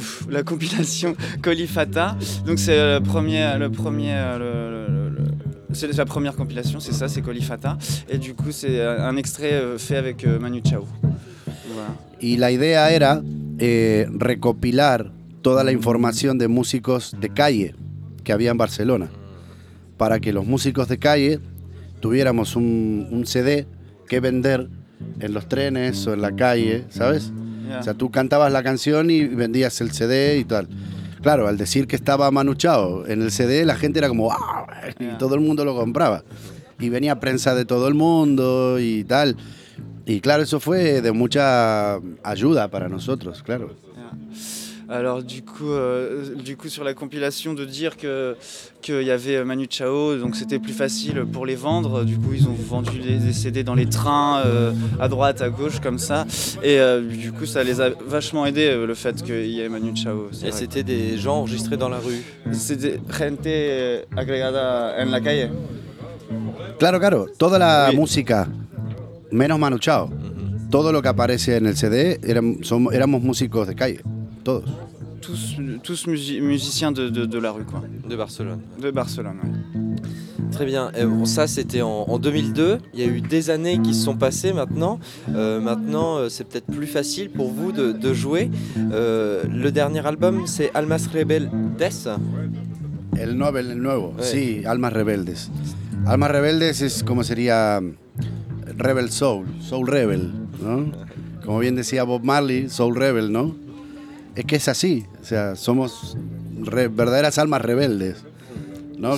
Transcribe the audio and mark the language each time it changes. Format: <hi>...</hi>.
<fr>La compilation Colifata, donc c'est la première compilation, c'est ça, c'est Colifata, et du coup c'est un extrait fait avec Manu Chao.</fr> <es>Y la idea era recopilar toda la información de músicos de calle que había en Barcelona para que los músicos de calle tuviéramos un CD que vender en los trenes o en la calle, ¿sabes? Yeah. O sea, tú cantabas la canción y vendías el CD y tal. Claro, al decir que estaba Manu Chao en el CD, la gente era como ¡ah! Yeah. Y todo el mundo lo compraba. Y venía prensa de todo el mundo y tal. Y claro, eso fue de mucha ayuda para nosotros, claro. Yeah.</es> <fr>Alors du coup sur la compilation de dire qu'il y avait Manu Chao, donc c'était plus facile pour les vendre. Du coup ils ont vendu des CD dans les trains à droite, à gauche comme ça. Et du coup ça les a vachement aidés le fait qu'il y ait Manu Chao. Et vrai. C'était des gens enregistrés dans la rue.</fr> <es>C'était gente agregada en la calle. Claro, claro. Toda la oui. Música, menos Manu Chao. Todo lo que aparece en el CD, éramos músicos de calle.</es> <fr>Tous musiciens de la rue, quoi. De Barcelone. De Barcelone, oui. Très bien. Et bon, ça, c'était en 2002. Il y a eu des années qui se sont passées maintenant. Maintenant, c'est peut-être plus facile pour vous de jouer. Le dernier album, c'est Almas Rebeldes.</fr> <es>El nuevo. Ouais. Sí, Almas Rebeldes. Almas Rebeldes es como sería Rebel Soul, Soul Rebel, ¿no? Como bien decía Bob Marley, Soul Rebel, ¿no? Es que es así, o sea, somos verdaderas almas rebeldes, ¿no?</es>